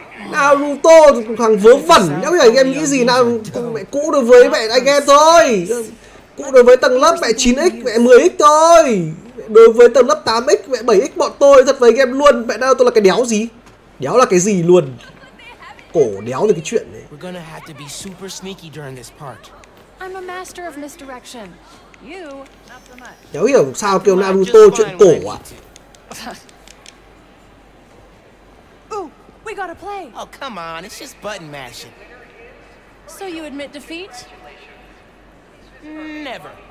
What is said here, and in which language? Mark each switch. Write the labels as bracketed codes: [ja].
[vi] Naruto thằng vớ vẩn, nếu như anh em nghĩ gì nào cùng mẹ cũ đối với mẹ anh em thôi. Cũ đối với tầng lớp mẹ 9x, mẹ 10x thôi. Đối với tầng lớp 8x, mẹ 7x bọn tôi thật với anh em luôn. Mẹ Naruto là cái đéo gì? Đéo là cái gì luôn? Cổ đéo được cái chuyện này. [en] We're gonna have to be super sneaky during this part. I'm a master of misdirection. You, not so much. [vi] Đéo hiểu sao kêu Naruto chuyện cổ ạ. [en] We gotta play. Oh, come on. It's just button mashing. So you admit defeat? Never.